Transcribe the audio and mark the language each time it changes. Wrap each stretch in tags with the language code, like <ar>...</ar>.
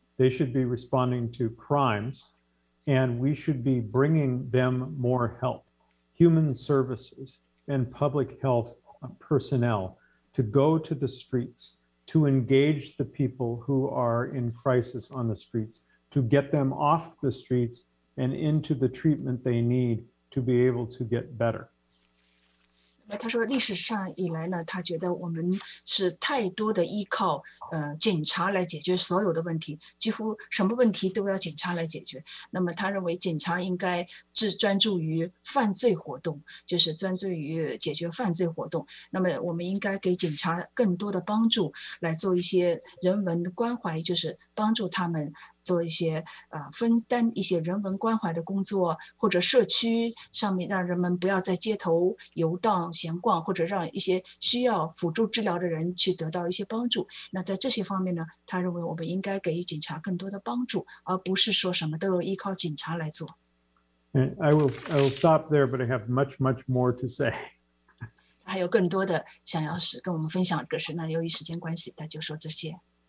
<en>They should be responding to crimes. And we should be bringing them more help, human services and public health personnel to go to the streets, to engage the people who are in crisis on the streets, to get them off the streets and into the treatment they need to be able to get better.</en> <zh>他说历史上以来呢，他觉得我们是太多的依靠警察来解决所有的问题，几乎什么问题都要警察来解决。那么他认为警察应该只专注于犯罪活动，就是专注于解决犯罪活动。那么我们应该给警察更多的帮助，来做一些人文关怀，就是帮助他们做一些分担一些人文关怀的工作，或者社区上面让人们不要在街头游荡闲逛，或者让一些需要辅助治疗的人去得到一些帮助。那在这些方面呢，他认为我们应该给予警察更多的帮助，而不是说什么都要依靠警察来做。</zh> <en>I will stop there, but I have much, much more to say.</en> <zh>还有更多的想要跟我们分享，可是呢，由于时间关系，他就说这些。</zh>